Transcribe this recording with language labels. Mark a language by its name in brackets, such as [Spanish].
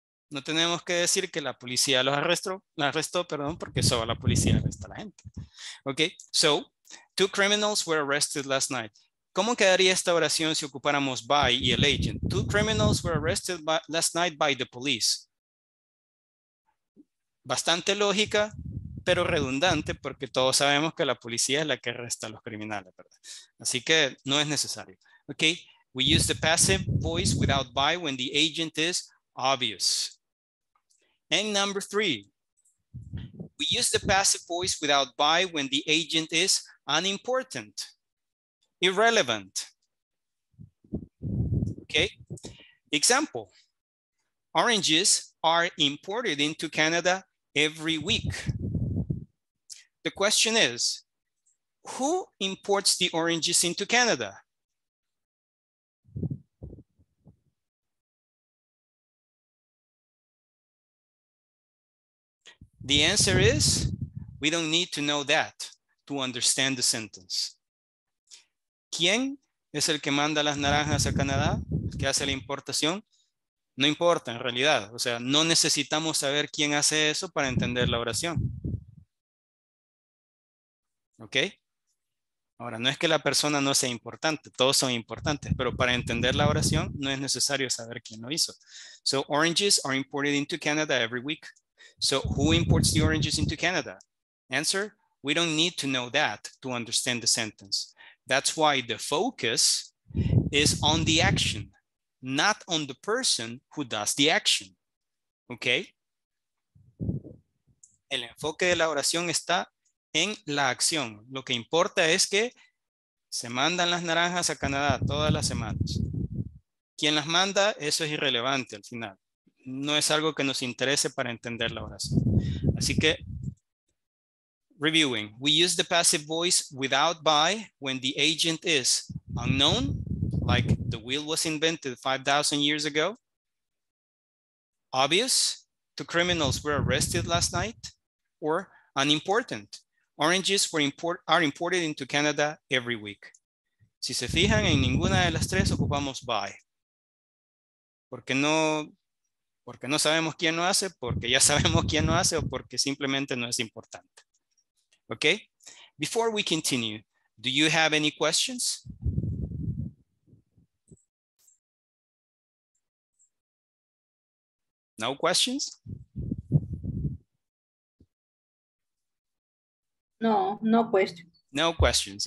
[Spanish] No tenemos que decir que la policía los arrestó, porque solo la policía arresta a la gente. [English] Okay, so two criminals were arrested last night. [Spanish] ¿Cómo quedaría esta oración si ocupáramos by y el agent? [English] Two criminals were arrested last night by the police. [Spanish] Bastante lógica, pero redundante, porque todos sabemos que la policía es la que arresta a los criminales, ¿verdad? Así que no es necesario. [English] Okay, we use the passive voice without by when the agent is obvious. And number three, we use the passive voice without by when the agent is unimportant, irrelevant. Okay, example, oranges are imported into Canada every week. The question is, who imports the oranges into Canada? The answer is, we don't need to know that to understand the sentence. [Spanish] ¿Quién es el que manda las naranjas a Canadá? ¿El que hace la importación? No importa, en realidad. O sea, no necesitamos saber quién hace eso para entender la oración. ¿Ok? Ahora, no es que la persona no sea importante. Todos son importantes. Pero para entender la oración, no es necesario saber quién lo hizo. [English] So, oranges are imported into Canada every week. So, who imports the oranges into Canada? Answer, we don't need to know that to understand the sentence. That's why the focus is on the action, not on the person who does the action. Okay? [Spanish] El enfoque de la oración está en la acción. Lo que importa es que se mandan las naranjas a Canadá todas las semanas. ¿Quién las manda? Eso es irrelevante al final. No es algo que nos interese para entender la oración. Así que, reviewing. [English] We use the passive voice without by when the agent is unknown, like the wheel was invented 5,000 years ago. Obvious, two criminals were arrested last night. Or unimportant, oranges are imported into Canada every week. [Spanish] Si se fijan, en ninguna de las tres ocupamos by. Porque no sabemos quién lo hace, porque ya sabemos quién lo hace, o porque simplemente no es importante. [English] Okay? Before we continue, do you have any questions? No questions? No questions.